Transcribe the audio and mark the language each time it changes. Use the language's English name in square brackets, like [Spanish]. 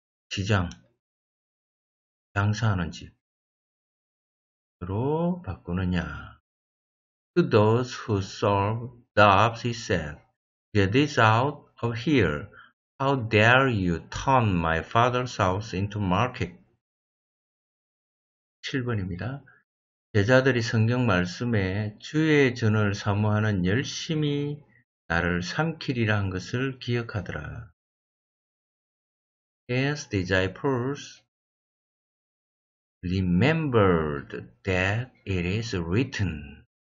[Korean] 시장, 장사하는 집으로 바꾸느냐. [English] To those who sold doves, he said, Get this out of here. How dare you turn my father's house into market? [Korean] 7번입니다. 제자들이 성경 말씀에 주의 전을 사모하는 열심히 나를 삼키리라 한 것을 기억하더라. [English] As disciples remembered that it is written.